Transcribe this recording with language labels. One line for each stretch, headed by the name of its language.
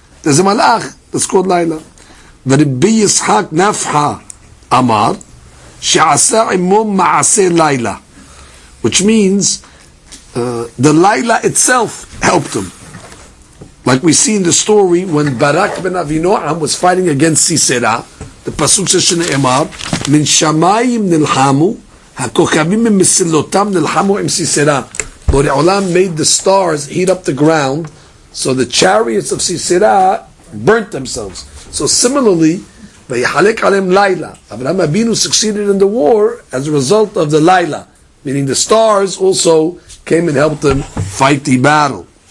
English: There's a malach that's called Laila.
Hebrew: ורבי ישחק נפחה אמר שעשה עמו מעשה לילה,
English: which means the lila itself helped him, like we see in the story when Barak ben Avinoam was fighting against Sisera. The פסוק says
Hebrew: שנאמר מן שמיים נלחמו הכוכבים ממסילותם נלחמו עם Sisera.
English: בורי עולם made the stars heat up the ground, so the chariots of Sisera burnt themselves. So similarly, Vayihalek alem laila. Avraham Avinu succeeded in the war as a result of the laila, meaning the stars also came and helped him fight the battle.